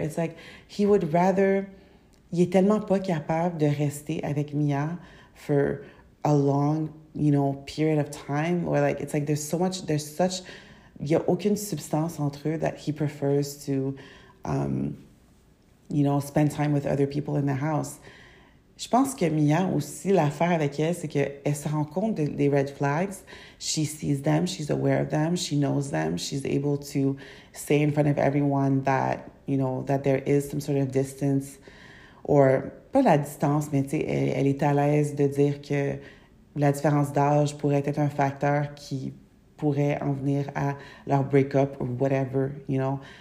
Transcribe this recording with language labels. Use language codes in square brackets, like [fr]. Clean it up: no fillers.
[en] It's like, he would rather, [fr] il est tellement pas capable de rester avec Mia [en] for a long, you know, period of time, or like, it's like, there's such, [fr] il y a aucune substance entre eux [en] that he prefers to, you know, spend time with other people in the house. [fr] Je pense que Mia aussi, l'affaire avec elle, c'est qu'elle se rend compte des red flags. [en] She sees them, she's aware of them, she knows them. She's able to say in front of everyone that, you know, that there is some sort of distance. [fr] Or, pas la distance, mais tu sais, elle est à l'aise de dire que la différence d'âge pourrait être un facteur qui pourrait en venir à leur breakup [en] or whatever, you know.